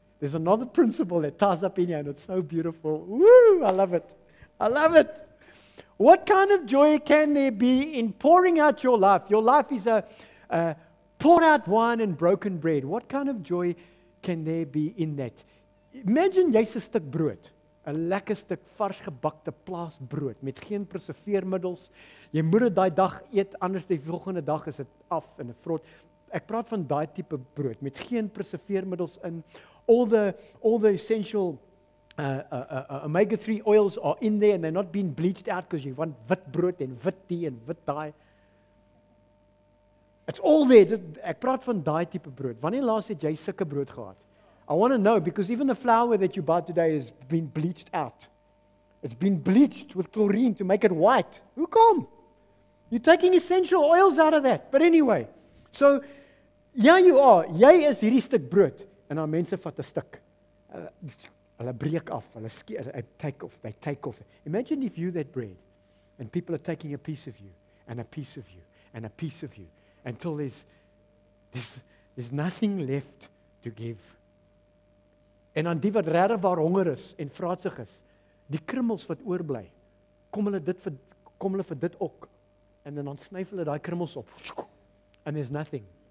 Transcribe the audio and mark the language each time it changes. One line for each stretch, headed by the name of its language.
English: There's another principle that ties up in here, and it's so beautiful. Woo, I love it. What kind of joy can there be in pouring out your life? Your life is a poured out wine and broken bread. What kind of joy can there be in that?
Afrikaans: Imagine jy's 'n stuk brood, 'n lekker stuk vars gebakte plaasbrood met geen preserveermiddels. Jy moet dit daai dag eet, anders die volgende dag is dit af in 'n vrot. Ek praat van daai tipe brood met geen preserveermiddels in.
English: All the essential omega-3 oils are in there and they're not being bleached out because you want
Afrikaans: wit brood en wit tee en wit daai.
English: It's all there. Just,
Afrikaans: ek praat van daai tipe brood. Wanneer laas het jy sulke brood gehad?
English: I want to know because even the flour that you bought today has been bleached out. It's been bleached with chlorine to make it white.
Afrikaans: Hoe kom?
English: You're taking essential oils out of that. But anyway, so yeah, you are.
Afrikaans: Jy is hierdie stuk brood en nou mense vat 'n stuk. Hulle breek af,
English: they take off. Imagine if you that bread, and people are taking a piece of you, and a piece of you, and a piece of you, until there's nothing left to give.
Afrikaans: En aan die wat regtig waar honger is en vraatsig is, die krummels wat oorbly, kom hulle vir dit ook, en dan snuif hulle daai krummels op,
English: and there's nothing.